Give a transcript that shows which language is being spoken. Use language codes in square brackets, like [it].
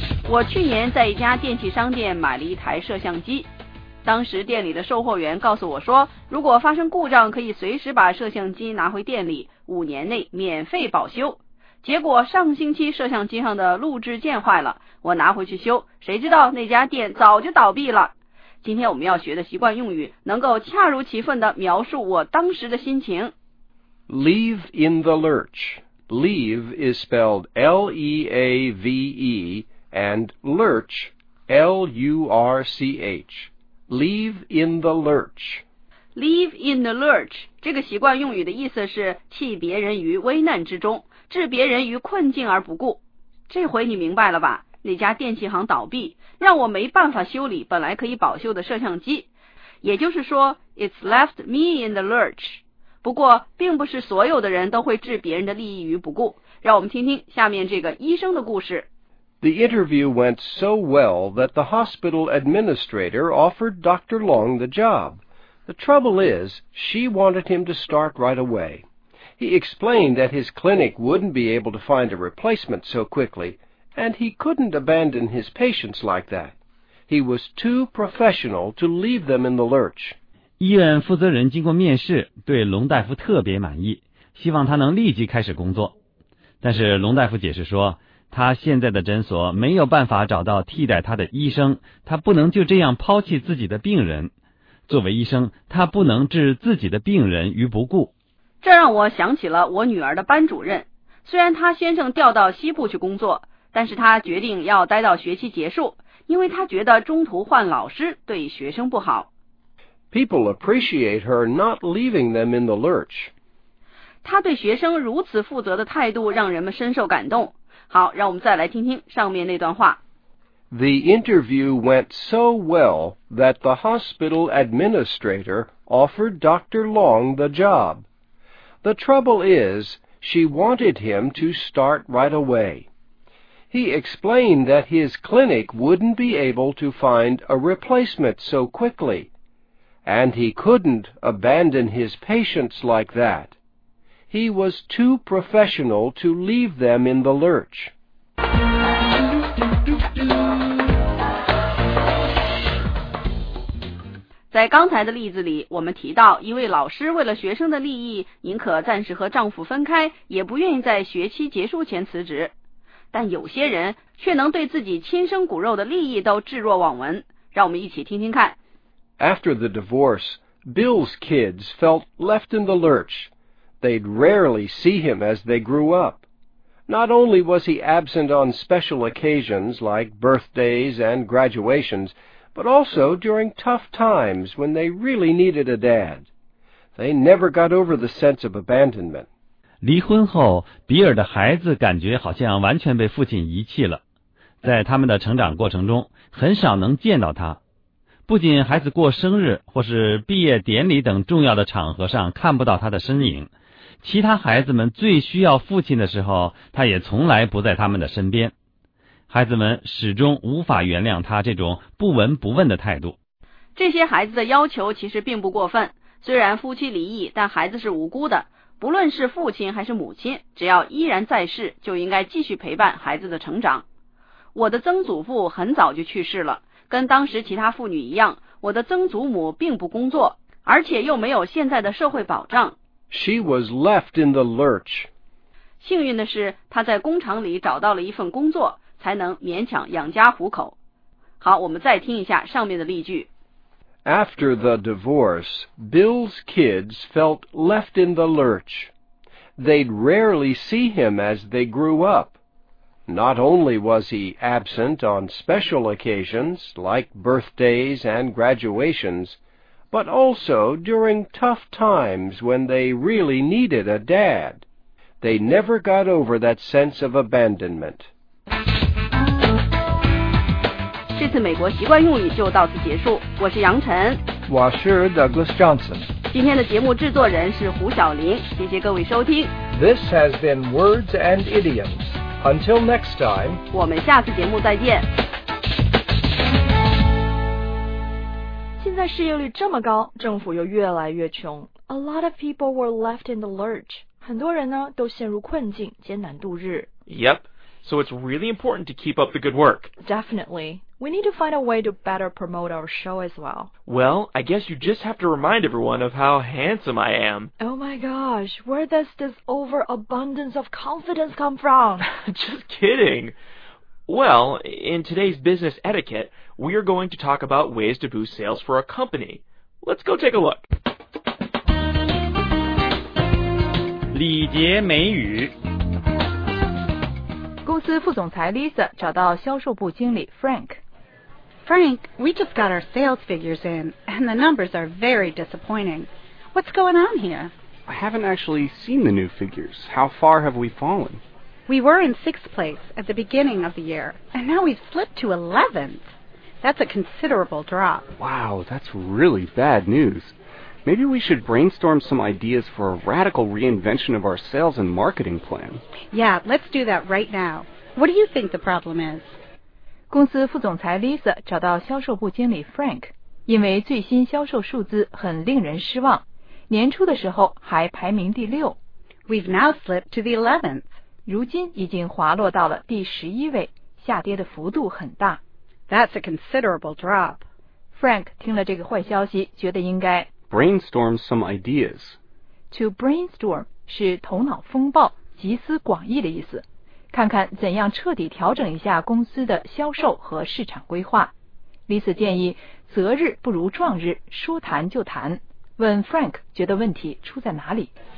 [zh] 我去年在一家电器商店买了一台摄像机，当时店里的售货员告诉我说，如果发生故障，可以随时把摄像机拿回店里，五年内免费保修。结果上星期摄像机上的录制键坏了，我拿回去修，谁知道那家店早就倒闭了。今天我们要学的习惯用语能够恰如其分地描述我当时的心情。 [en] Leave in the lurch. Leave is spelled L-E-A-V-E and lurch, L-U-R-C-H. Leave in the lurch. Leave in the lurch. [zh] 这个习惯用语的意思是弃别人于危难之中，置别人于困境而不顾。这回你明白了吧？那家电器行倒闭，让我没办法修理本来可以保修的摄像机。也就是说 [en] ，it's left me in the lurch. [zh] 不过，并不是所有的人都会置别人的利益于不顾。让我们听听下面这个医生的故事。 [en] The interview went so well that the hospital administrator offered Dr. Long the job. The trouble is, she wanted him to start right away. He explained that his clinic wouldn't be able to find a replacement so quickly, and he couldn't abandon his patients like that. He was too professional to leave them in the lurch. [zh] 医院负责人经过面试，对龙大夫特别满意，希望他能立即开始工作。但是龙大夫解释说，他现在的诊所没有办法找到替代他的医生，他不能就这样抛弃自己的病人。作为医生，他不能置自己的病人于不顾。这让我想起了我女儿的班主任，虽然他先生调到西部去工作，但是他决定要待到学期结束，因为他觉得中途换老师对学生不好。 [en] People appreciate her not leaving them in the lurch. [zh] 她对学生如此负责的态度让人们深受感动。好，让我们再来听听上面那段话。 [en] The interview went so well that the hospital administrator offered Dr. Long the job. The trouble is, she wanted him to start right away. He explained that his clinic wouldn't be able to find a replacement so quickly, and he couldn't abandon his patients like that. He was too professional to leave them in the lurch. [zh] 在刚才的例子里，我们提到一位老师为了学生的利益，宁可暂时和丈夫分开，也不愿意在学期结束前辞职。但有些人却能对自己亲生骨肉的利益都置若罔闻。让我们一起听听看。 [en] After the divorce, Bill's kids felt left in the lurch. They'd rarely see him as they grew up. Not only was he absent on special occasions like birthdays and graduations,but also during tough times when they really needed a dad. They never got over the sense of abandonment. [zh] 离婚后，比尔的孩子感觉好像完全被父亲遗弃了。在他们的成长过程中，很少能见到他。不仅孩子过生日或是毕业典礼等重要的场合上看不到他的身影，其他孩子们最需要父亲的时候，他也从来不在他们的身边。孩子们始终无法原谅他这种不闻不问的态度。这些孩子的要求其实并不过分，虽然夫妻离异，但孩子是无辜的。不论是父亲还是母亲，只要依然在世，就应该继续陪伴孩子的成长。我的曾祖父很早就去世了，跟当时其他妇女一样，我的曾祖母并不工作，而且又没有现在的社会保障。 [en] She was left in the lurch. [zh] 幸运的是，她在工厂里找到了一份工作，才能勉强养家糊口。好，我们再听一下上面的例句。 [en] After the divorce, Bill's kids felt left in the lurch. They'd rarely see him as they grew up. Not only was he absent on special occasions, like birthdays and graduations, but also during tough times when they really needed a dad. They never got over that sense of abandonment. [zh] 这次美国习惯用语就到此结束，我是杨晨，我是 Douglas Johnson，今天的节目制作人是胡晓林，谢谢各位收听。 [en] This has been Words and Idioms. Until next time， [zh] 我们下次节目再见。现在失业率这么高，政府又越来越穷， [en] A lot of people were left in the lurch， [zh] 很多人呢都陷入困境，艰难度日。 [en] Yep, so it's really important to keep up the good work. Definitely. We need to find a way to better promote our show as well. Well, I guess you just have to remind everyone of how handsome I am. Oh my gosh, where does this overabundance of confidence come from? Just kidding. Well, in today's business etiquette, we are going to talk about ways to boost sales for a company. Let's go take a look. [zh] 礼节美语公司副总裁 Lisa 找到销售部经理 Frank。 [en] Frank, we just got our sales figures in, and the numbers are very disappointing. What's going on here? I haven't actually seen the new figures. How far have we fallen? We were in sixth place at the beginning of the year, and now we've slipped to 11th. That's a considerable drop. Wow, that's really bad news. Maybe we should brainstorm some ideas for a radical reinvention of our sales and marketing plan. Yeah, let's do that right now. What do you think the problem is? [zh] 公司副总裁 Lisa 找到销售部经理 Frank， 因为最新销售数字很令人失望，年初的时候还排名第六。 [en] We've now slipped to the 11th. [zh] 如今已经滑落到了第十一位，下跌的幅度很大。 [en] That's a considerable drop. [zh] Frank 听了这个坏消息，觉得应该 [en] brainstorm some ideas. [zh] To brainstorm 是头脑风暴，集思广益的意思。看看怎样彻底调整一下公司的销售和市场规划。 Lisa 建议择日不如撞日，说谈就谈，问 Frank 觉得问题出在哪里。